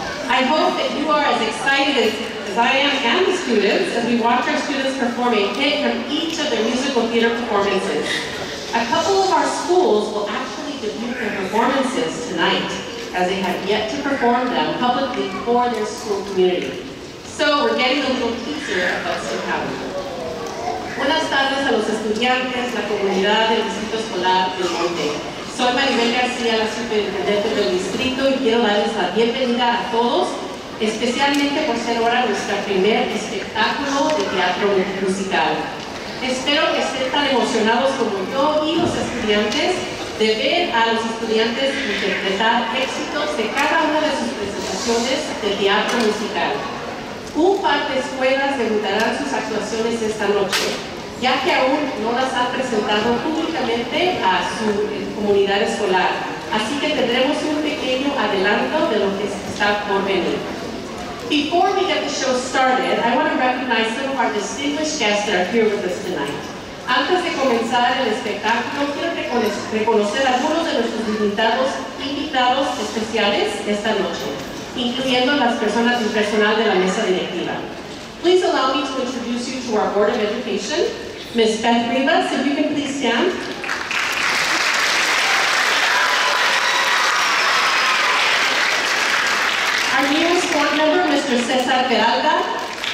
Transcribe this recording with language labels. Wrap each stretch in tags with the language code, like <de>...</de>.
<en>I hope that you are as excited as I am and the students as we watch our students perform a hit from each of their musical theater performances. A couple of our schools will actually debut their performances tonight, as they have yet to perform them publicly for their school community. So we're getting a little teaser of what's to come.</en> <es>Buenas tardes a los estudiantes, la comunidad del Distrito Escolar del Monte. Soy Maribel García, la superintendente del distrito, y quiero darles la bienvenida a todos, especialmente por ser ahora nuestro primer espectáculo de teatro musical. Espero que estén tan emocionados como yo y los estudiantes de ver a los estudiantes interpretar éxitos de cada una de sus presentaciones de teatro musical. Un par de escuelas debutarán sus actuaciones esta noche, ya que aún no las han presentado públicamente a su comunidad escolar. Así que tendremos un pequeño adelanto de lo que está por venir.</es> <en>Before we get the show started, I want to recognize some of our distinguished guests that are here with us tonight.</en> <es>Antes de comenzar el espectáculo, quiero reconocer a algunos de nuestros invitados especiales esta noche, incluyendo las personas y personal de la mesa directiva.</es> <en>Please allow me to introduce you to our Board of Education, Ms. Beth Rivas, if you can please stand. Our newest board member, Mr. Cesar Peralta.</en>